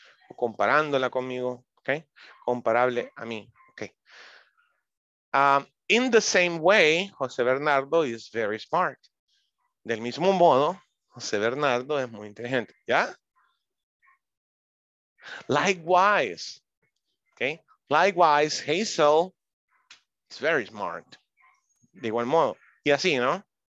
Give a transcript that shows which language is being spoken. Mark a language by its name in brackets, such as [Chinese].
[Spanish] O comparándola conmigo, ¿ok? Comparable a mí, ¿ok? [English] In the same way, José Bernardo is very smart. [Spanish] Del mismo modo, José Bernardo es muy inteligente. ¿Ya? [English] Likewise. Okay. Likewise, Hazel is very smart. [Spanish] De igual modo. Y así, ¿no?